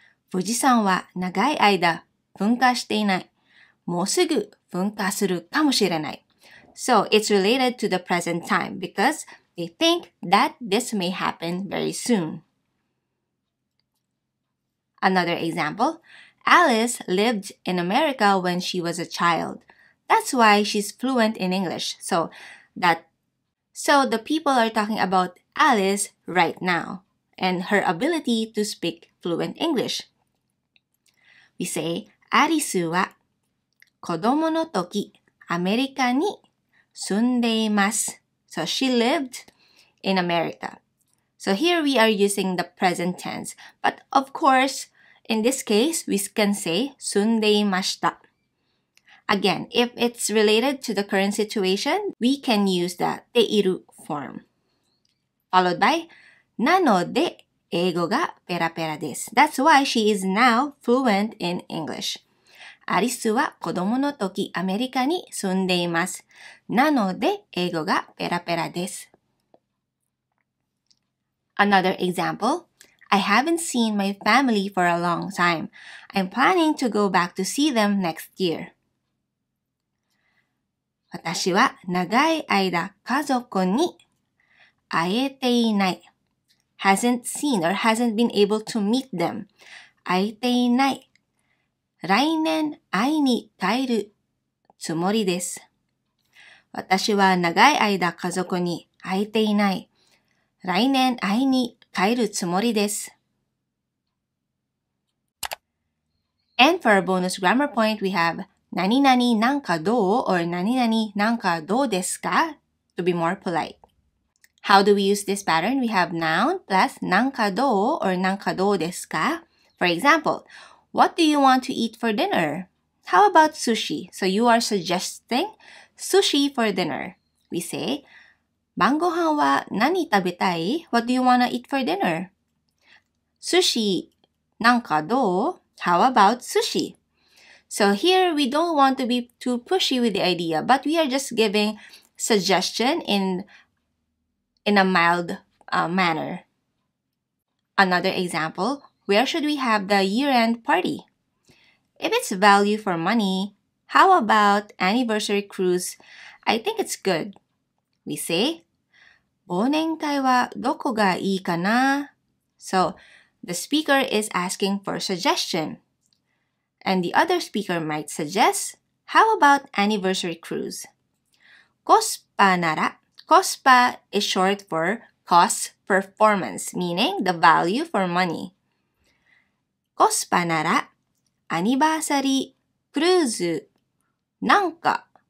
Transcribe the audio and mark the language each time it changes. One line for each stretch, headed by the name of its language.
Japanese: 富士山は長い間噴火していないもうすぐ噴火するかもしれない
English: So it's related to the present time because they think that this may happen very soon. Another example, Alice lived in America when she was a child. That's why she's fluent in English. So the people are talking about Alice right now and her ability to speak fluent English. We say,
Japanese: Alice は子供の時アメリカに住んでいます。
English: So she lived in America. So here we are using the present tense. But of course, in this case, we can say
Japanese: 住んでいました。
English: Again, if it's related to the current situation, we can use the でいる form. Followed by なので英語がペラペラです。 That's why she is now fluent in English.
Japanese: アリスは子供の時アメリカに住んでいます。なので英語がペラペラです。
English: Another example. I haven't seen my family for a long time. I'm planning to go back to see them next year.
Japanese: 私は長い間家族に会えていない。
English: Hasn't seen or hasn't been able to meet them.
Japanese: 会えていない。来年会いに帰るつもりです。私は長い間家族に会えていない。来年会いに帰るつもりです。
English: And for a bonus grammar point, we have 何々なんかどう or 何々なんかどうですか?To be more polite. How do we use this pattern? We have noun plus なんかどうor なんかどうですか? For example, what do you want to eat for dinner? How about sushi? So you are suggesting sushi for dinner. We say,
Japanese: 晩ごはんは何食べたい?
English: What do you want to eat for dinner?
Japanese: Sushi, なんかどう?
English: How about sushi? So here we don't want to be too pushy with the idea, but we are just giving suggestion in a mild manner. Another example, where should we have the year-end party? If it's value for money, how about anniversary cruise? I think it's good. We say,
Japanese: 忘年会はどこがいいかな?
English: So, the speaker is asking for suggestion. And the other speaker might suggest, how about anniversary cruise?
Japanese: コスパ
English: is short for cost performance, meaning the value for money.
Japanese: コスパなら、アニバーサリークルーズ、なんか。